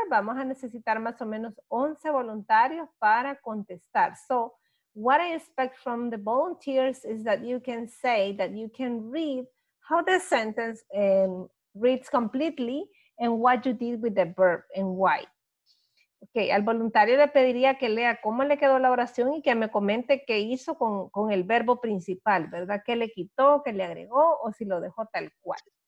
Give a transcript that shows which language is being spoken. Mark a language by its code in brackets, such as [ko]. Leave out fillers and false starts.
[es] Vamos a necesitar más o menos 11 voluntarios para contestar. [en] So what I expect from the volunteers is that you can say that you can read how the sentence reads completely and what you did with the verb and why. [es] Okay, al voluntario le pediría que lea cómo le quedó la oración y que me comente qué hizo con el verbo principal, ¿verdad? ¿Qué le quitó, qué le agregó o si lo dejó tal cual?